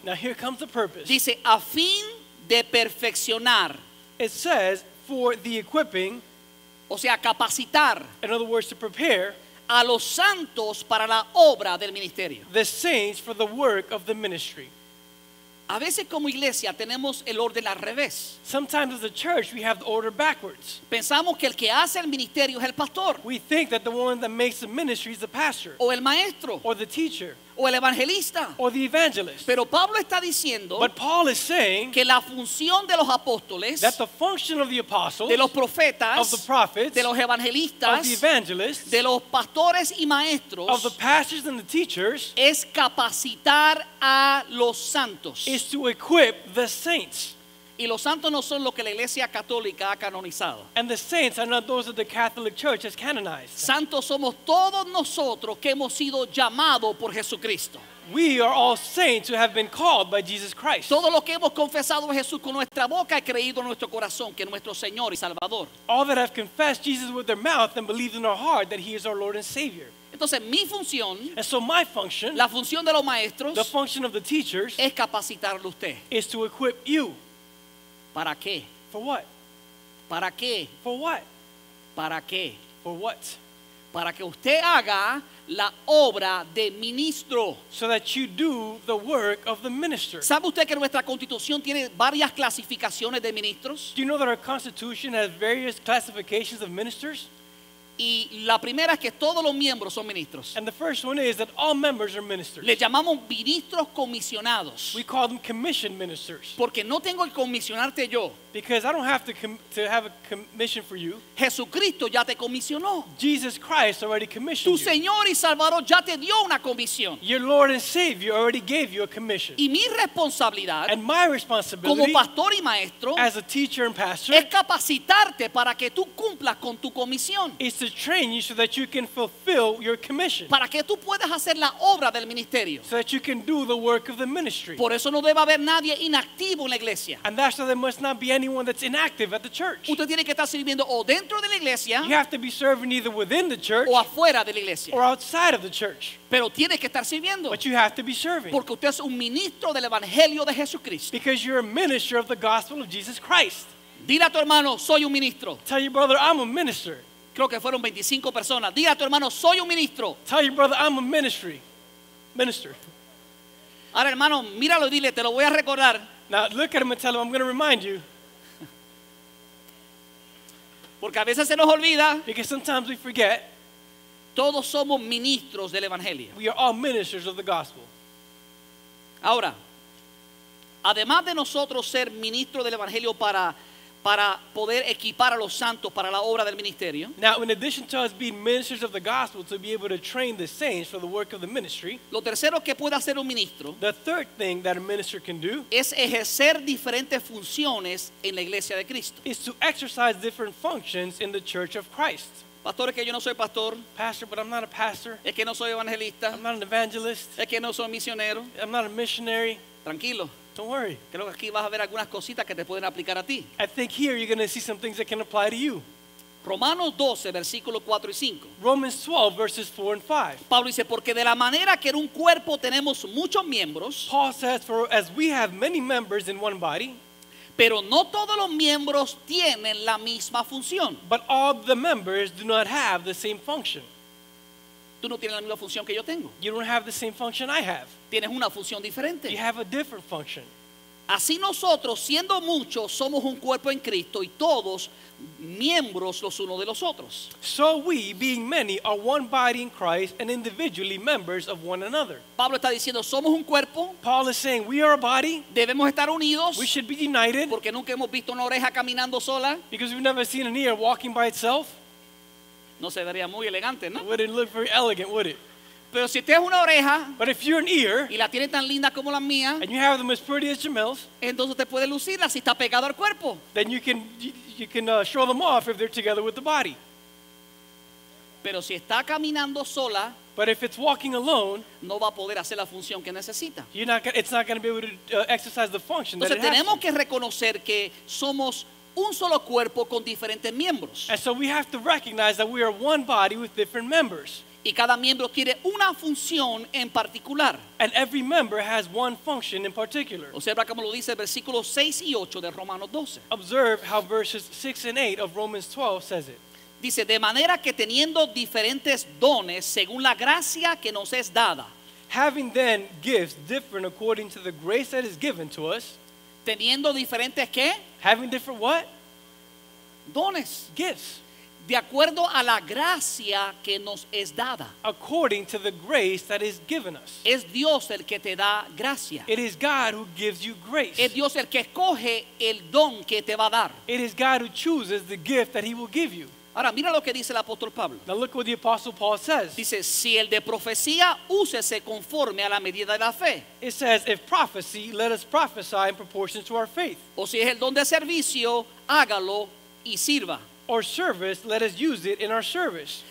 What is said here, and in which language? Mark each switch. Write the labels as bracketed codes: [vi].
[en] Now here comes the purpose. [es] Dice, a fin de perfeccionar. [en] It says, for the equipping. [es] O sea, capacitar. [en] In other words, to prepare. [es] A los santos para la obra del ministerio. [en] The saints for the work of the ministry. [es] A veces como iglesia tenemos el orden al revés. [en] Sometimes as a church we have the order backwards. [es] Pensamos que el que hace el ministerio es el pastor. [en] We think that the one that makes the ministry is the pastor. [es] O el maestro. [en] Or the teacher. [es] O el evangelista. [en] Or the evangelist. [es] Pero Pablo está diciendo, [en] but Paul is saying, [es] que la función de los apóstoles, [en] that the function of the apostles, [es] de los profetas, [en] of the prophets, [es] de los evangelistas, [en] of the evangelists, [es] de los pastores y maestros, [en] of the pastors and the teachers, [es] es capacitar a los santos, [en] is to equip the saints. [es] Y los santos no son lo que la iglesia católica ha canonizado. [en] And the saints are not those that the Catholic Church has canonized. [es] Santos somos todos nosotros que hemos sido llamados por Jesucristo. [en] We are all saints who have been called by Jesus Christ. [es] Todo lo que hemos confesado a Jesús con nuestra boca y creído en nuestro corazón que es nuestro Señor y Salvador. [en] All that have confessed Jesus with their mouth and believed in our heart that he is our Lord and Savior. [es] Entonces mi función, [en] and so my function, [es] la función de los maestros, [en] the function of the teachers, [es] es capacitarlo usted. [en] Is to equip you. [es] ¿Para qué? [en] For what? [es] ¿Para qué? [en] For what? [es] ¿Para qué? [en] For what? [es] Para que usted haga la obra de ministro. [en] So that you do the work of the minister. [es] ¿Sabe usted que nuestra constitución tiene varias clasificaciones de ministros? [en] Do you know that our constitution has various classifications of ministers? [es] Y la primera es que todos los miembros son ministros. [en] And the first one is that all members are ministers. [es] Les llamamos ministros comisionados. [en] We call them commissioned ministers. [es] Porque no tengo que comisionarte yo. [en] Because I don't have to have a commission for you. [es] Jesucristo ya te comisionó. [en] Jesus Christ already commissioned you. [es] Tu Señor y Salvador ya te dio una comisión. [en] Your Lord and Savior already gave you a commission. [es] Y mi responsabilidad, [en] and my responsibility, [es] como pastor y maestro, [en] as a teacher and pastor, [es] es capacitarte para que tú cumplas con tu comisión. [en] Is to train you so that you can fulfill your commission. [es] Para que tú puedas hacer la obra del ministerio. [en] So that you can do the work of the ministry. [es] Por eso no debe haber nadie inactivo en la iglesia. [en] And that's why there must not be anyone that's inactive at the church. [es] Usted tiene que estar sirviendo o dentro de la iglesia, [en] you have to be serving either within the church [es] o afuera de la iglesia, [en] or outside of the church. [es] Pero tiene que estar sirviendo, [en] but you have to be serving. [es] Porque usted es un ministro del evangelio de Jesucristo. [en] Because you're a minister of the gospel of Jesus Christ. [es] Dile a tu hermano, soy un ministro. [en] Tell your brother, I'm a minister. [es] Creo que fueron 25 personas. Dile a tu hermano, soy un ministro. [en] Tell your brother, I'm a ministry. Minister. [es] Ahora hermano, míralo y dile, te lo voy a recordar. [en] Now look at him and tell him, I'm going to remind you. [es] Porque a veces se nos olvida. [en] Because sometimes we forget. [es] Todos somos ministros del evangelio. [en] We are all ministers of the gospel. [es] Ahora, además de nosotros ser ministro del evangelio para poder equipar a los santos para la obra del ministerio. [en] Now, in addition to us being ministers of the gospel to be able to train the saints for the work of the ministry. [es] Lo tercero que puede hacer un ministro. [en] The third thing that a minister can do. [es] Es ejercer diferentes funciones en la iglesia de Cristo. [en] Is to exercise different functions in the church of Christ. [es] Pastor, es que yo no soy pastor. [en] Pastor, but I'm not a pastor. [es] Es que no soy evangelista. [en] I'm not an evangelist. [es] Es que no soy misionero. [en] I'm not a missionary. [es] Tranquilo. [en] Don't worry. [es] Creo que aquí vas a ver algunas cositas que te pueden aplicar a ti. [en] I think here you're going to see some things that can apply to you. [es] Romanos 12, versículos 4 y 5. [en] Romans 12, verses 4 and 5. [es] Pablo dice, porque de la manera que en un cuerpo tenemos muchos miembros. [en] Paul says, for as we have many members in one body. [es] Pero no todos los miembros tienen la misma función. [en] But all the members do not have the same function. [es] Tú no tienes la misma función que yo tengo. [en] You don't have the same function I have. [es] Tienes una función diferente. [en] You have a different function. [es] Así nosotros, siendo muchos, somos un cuerpo en Cristo y todos miembros los unos de los otros. [en] So we, being many, are one body in Christ and individually members of one another. [es] Pablo está diciendo, somos un cuerpo. [en] Paul is saying, we are a body. [es] Debemos estar unidos. [en] We should be united. [es] Porque nunca hemos visto una oreja caminando sola. [en] Because we've never seen an ear walking by itself. [es] No se vería muy elegante, ¿no? [en] It wouldn't look very elegant, would it? [es] Pero si usted es una oreja, [en] but if you're an ear, [es] y la tiene tan linda como la mía, [en] and you have them as pretty as Jamel's, [es] entonces usted puede lucirla si está pegado al cuerpo. [en] Then you can show them off if they're together with the body. [es] Pero si está caminando sola, [en] but if it's walking alone, [es] no va a poder hacer la función que necesita. [en] It's not going to be able to exercise the function [es] entonces [en] that it has. [es] Entonces tenemos que reconocer que somos un solo cuerpo con diferentes miembros. [en] And so we have to recognize that we are one body with different members. [es] Y cada miembro quiere una función en particular. [en] And every member has one function in particular. [es] Observa como lo dice versículos 6 y 8 de Romanos 12. [en] Observe how verses 6 and 8 of Romans 12 says it. [es] Dice, de manera que teniendo diferentes dones según la gracia que nos es dada. [en] Having then gifts different according to the grace that is given to us. [es] Teniendo diferentes ¿qué? [en] Having different what? [es] Dones. [en] Gifts. [es] De acuerdo a la gracia que nos es dada. [en] According to the grace that is given us. [es] Es Dios el que te da gracia. [en] It is God who gives you grace. [es] Es Dios el que escoge el don que te va a dar. [en] It is God who chooses the gift that he will give you. [es] Ahora mira lo que dice el apóstol Pablo. [en] Now look what the apostle Paul says. [es] Dice, si el de profecía, úsese conforme a la medida de la fe. [en] It says, if prophecy, let us prophesy in proportion to our faith. [es] O si es el don de servicio, hágalo y sirva. [en] Or service, let us use it in our service.